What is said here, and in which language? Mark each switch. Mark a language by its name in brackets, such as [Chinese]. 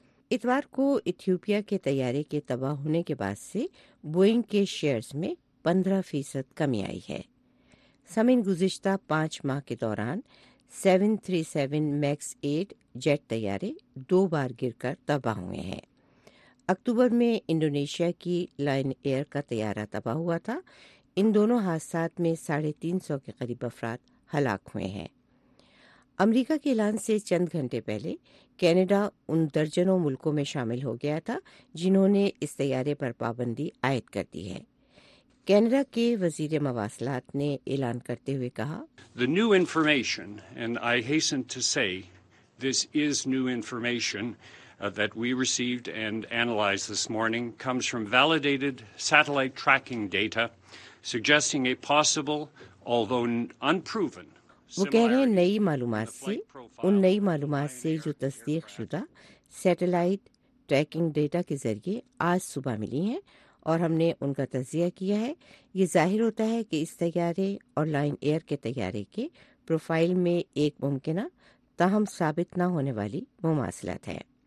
[Urdu] اتوار کو ایتھیوپیا کے طیارے کے تباہ ہونے کے بعد سے بوئنگ کے شیئرز میں 15% کمی آئی ہے۔ سمن گزشتہ 5 ماہ کے دوران 737 MAX 8 جیٹ طیارے 2 بار گر کر تباہ ہوئے ہیں۔ اکتوبر میں انڈونیشیا کی لائن ایئر کا طیارہ تباہ ہوا تھا۔ ان دونوں حادثات میں 350 کے قریب افراد ہلاک ہوئے ہیں۔ امریکہ کے اعلان سے چند گھنٹے پہلے کینیڈا ان درجنوں ملکوں میں شامل ہو گیا تھا جنہوں نے اس طیارے پر پابندی عائد کر دی ہے۔ کینیڈا کے وزیر مواصلات نے اعلان کرتے ہوئے کہا، [English] The new information, and I hasten to say this is new information that we received and analyzed this morning comes from validated satellite tracking data suggesting a possible although unproven [Urdu] وہ کہہ رہے ہیں نئی معلومات سے، ان نئی معلومات سے جو تصدیق شدہ سیٹلائٹ ٹریکنگ ڈیٹا کے ذریعے آج صبح ملی ہیں اور ہم نے ان کا تجزیہ کیا ہے، یہ ظاہر ہوتا ہے کہ اس طیارے اور لائن ایئر کے طیارے کے پروفائل میں ایک ممکنہ تاہم ثابت نہ ہونے والی مماثلت ہے۔